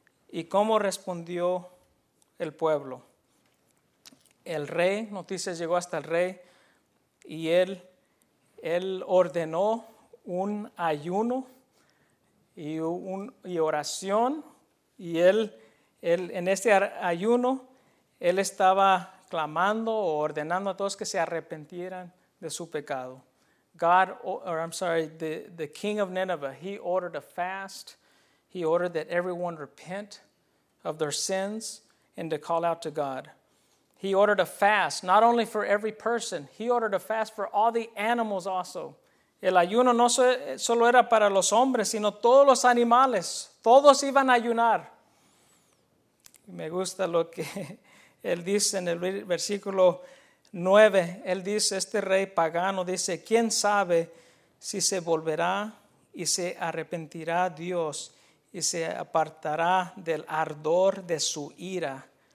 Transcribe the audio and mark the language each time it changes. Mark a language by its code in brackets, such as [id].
[es] ¿Y cómo respondió el pueblo? El rey, noticias llegó hasta el rey, y él ordenó un ayuno y oración. Y él en este ayuno, él estaba clamando o ordenando a todos que se arrepintieran de su pecado. [en] God, or I'm sorry, the king of Nineveh, he ordered a fast. He ordered that everyone repent of their sins and to call out to God. He ordered a fast, not only for every person, he ordered a fast for all the animals also. [es] El ayuno no solo era para los hombres, sino todos los animales. Todos iban a ayunar. Me gusta lo que él dice en el versículo 9. Él dice, este rey pagano dice, ¿quién sabe si se volverá y se arrepentirá Dios y se apartará del ardor de su ira?